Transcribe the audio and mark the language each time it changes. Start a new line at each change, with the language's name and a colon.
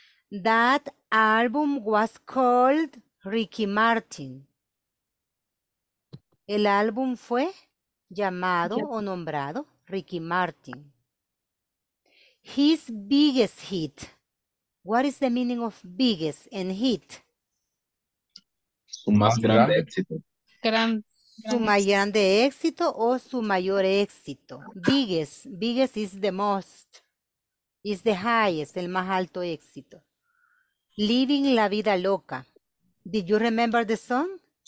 English: That album was called Ricky Martin.
Spanish: El álbum fue llamado o nombrado Ricky Martin.
English: His biggest hit. What is the meaning of biggest and hit?
Spanish: Su más grande éxito. Su más grande éxito o su mayor éxito.
English: Biggest is the most. Is the highest,
Spanish: el más alto éxito.
English: Living La Vida Loca. Did you remember the song?